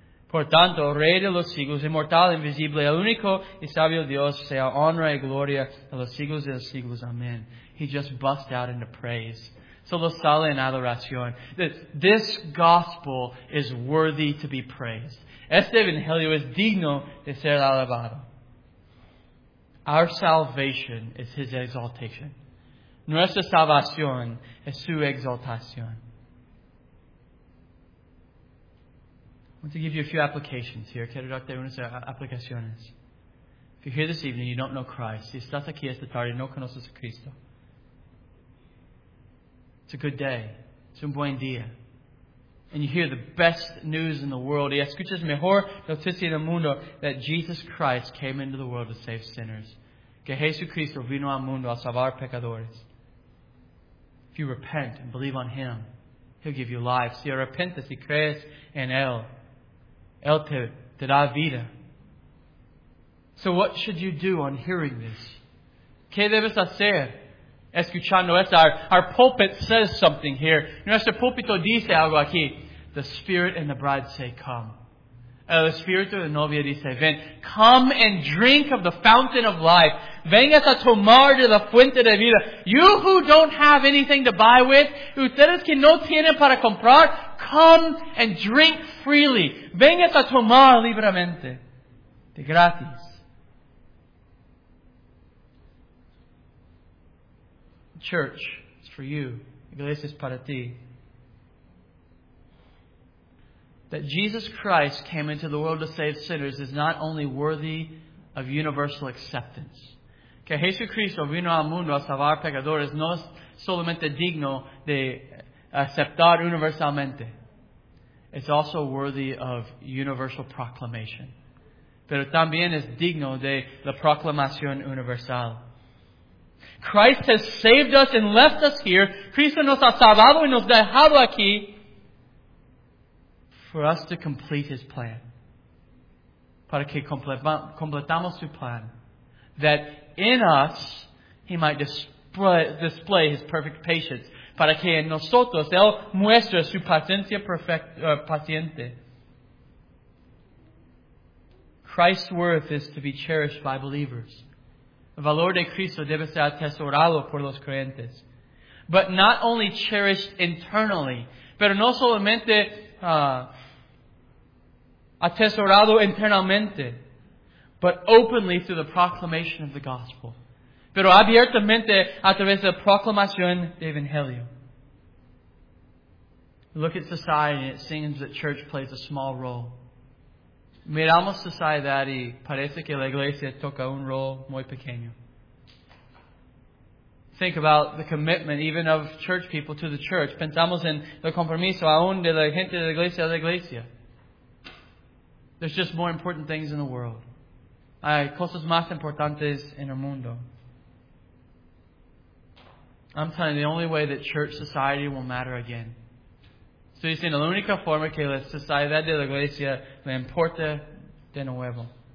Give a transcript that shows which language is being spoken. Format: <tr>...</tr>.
<es>Por tanto, Rey de los siglos, inmortal, invisible, el único y sabio Dios, sea honra y gloria a los siglos de los siglos. Amen.</es> <en>He just busts out into praise.</en> <es>Solo sale en adoración.</es> <en>This gospel is worthy to be praised.</en> <es>Este evangelio es digno de ser alabado.</es> <en>Our salvation is His exaltation.</en> <es>Nuestra salvación es su exaltación.</es> <en>want to give you a few applications here.</en> <es>Quiero darte unas aplicaciones.</es> <en>If you're here this evening, you don't know Christ.</en> <es>Si estás aquí esta tarde, no conoces a Cristo.</es> <en>It's a good day. It's</en> <es>un buen día.</es> <en>And you hear the best news in the world.</en> <es>Y escuchas mejor noticia en el mundo</es> <en>that Jesus Christ came into the world to save sinners.</en> <es>Que Jesucristo vino al mundo a salvar pecadores.</es> <en>If you repent and believe on Him, He'll give you life.</en> <es>Si arrepentes y crees en Él, Él te da vida.</es> <en>So what should you do on hearing this?</en> <es>¿Qué debes hacer? Escuchando esto,</es> <en>our pulpit says something here.</en> <es>Nuestro púlpito dice algo aquí.</es> <en>The Spirit and the Bride say, come.</en> <es>El Espíritu y la novia dice, ven.</es> <en>Come and drink of the fountain of life.</en> <es>Vengas a tomar de la fuente de vida.</es> <en>You who don't have anything to buy with,</en> <es>ustedes que no tienen para comprar,</es> <en>come and drink freely.</en> <es>Vengas a tomar libremente. De gratis.</es> <en>Church, it's for you.</en> <es>Iglesia es para ti.</es> <en>That Jesus Christ came into the world to save sinners is not only worthy of universal acceptance.</en> <es>Que Jesucristo vino al mundo a salvar pecadores no es solamente digno de aceptar universalmente.</es> <en>It's also worthy of universal proclamation.</en> <es>Pero también es digno de la proclamación universal.</es> <en>Christ has saved us and left us here.</en> <es>Cristo nos ha salvado y nos ha dejado aquí</es> <en>for us to complete His plan.</en> <es>Para que completamos su plan.</es> <en>That in us He might display His perfect patience.</en> <es>Para que en nosotros Él muestre su paciencia paciente.</es> <en>Christ's worth is to be cherished by believers.</en> <es>El valor de Cristo debe ser atesorado por los creyentes.</es> <en>But not only cherished internally,</en> <es>pero no solamente atesorado internamente,</es> <en>but openly through the proclamation of the gospel.</en> <es>Pero abiertamente a través de la proclamación del Evangelio.</es> <en>Look at society and it seems that church plays a small role.</en> <es>Miramos sociedad y parece que la iglesia toca un rol muy pequeño.</es> <en>Think about the commitment even of church people to the church.</en> <es>Pensamos en el compromiso aún de la gente de la iglesia a la iglesia.</es> <en>There's just more important things in the world.</en> <es>Hay cosas más importantes en el mundo.</es> <en>I'm telling you, the only way that church society will matter again. So you see,</en> <es>la única forma que la sociedad de la iglesia le importa de nuevo.</es>